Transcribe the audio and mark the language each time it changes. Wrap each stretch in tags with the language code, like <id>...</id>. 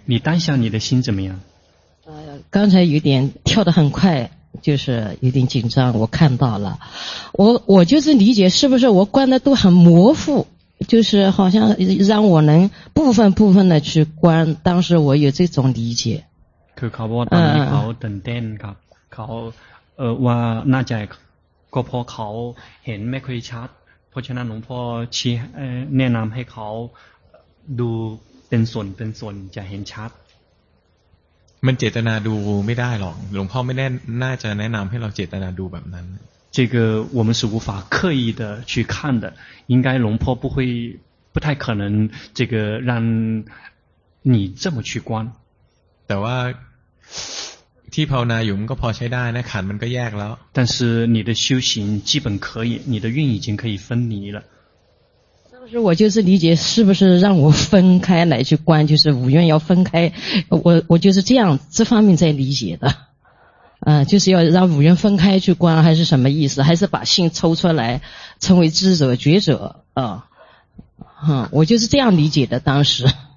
<zh>你当下你的心怎么样刚才有点跳得很快就是有点紧张我看到了我就是理解是不是我观的都很模糊就是好像让我能部分部分的去观当时我有这种理解</zh> <th>คือเขาบอกว่าตอนนี้เขาตื่นเต้นครับเขาว่าน่าจะก็เพราะเขาเห็นไม่ค่อยชัดเพราะฉะนั้นหลวงพ่อชี้แนะนำให้เขาดูเป็นส่วนจะเห็นชัด มันเจตนาดูไม่ได้หรอกหลวงพ่อไม่แน่น่าจะแนะนำให้เราเจตนาดูแบบนั้น</th> <zh>这个我们是无法刻意的去看的应该龙坡不会不太可能这个让你这么去观</zh> <th>แต่ว่าที่ภาวนาอยู่มันก็พอใช้ได้นะขันมันก็แยกแล้ว</th> <zh>但是你的修行基本可以你的运已经可以分离了当时我就是理解是不是让我分开来去观就是五蕴要分开我就是这样这方面在理解的就是要让五蕴分开去观还是什么意思还是把心抽出来成为智者觉者我就是这样理解的当时</zh>